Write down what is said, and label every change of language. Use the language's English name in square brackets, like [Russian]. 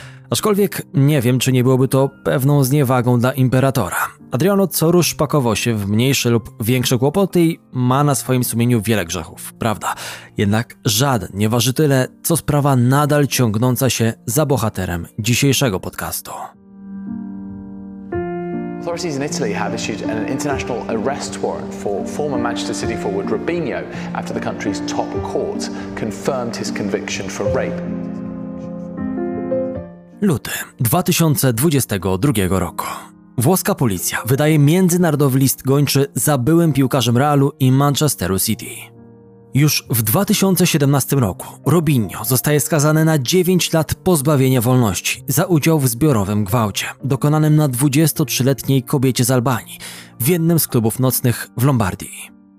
[Polish] Aczkolwiek nie wiem, czy nie byłoby to pewną zniewagą dla imperatora. Adriano co rusz pakował się w mniejsze lub większe kłopoty i ma na swoim sumieniu wiele grzechów, prawda? Jednak żaden nie waży tyle, co sprawa nadal ciągnąca się za bohaterem dzisiejszego podcastu. [English] Authorities in Italy have issued an international arrest warrant for former Manchester City forward Robinho after the country's top court confirmed his conviction for rape. [Polish] Luty 2022 roku. Włoska policja wydaje międzynarodowy list gończy za byłym piłkarzem Realu i Manchesteru City. Już w 2017 roku Robinho zostaje skazany na 9 lat pozbawienia wolności za udział w zbiorowym gwałcie dokonanym na 23-letniej kobiecie z Albanii w jednym z klubów nocnych w Lombardii.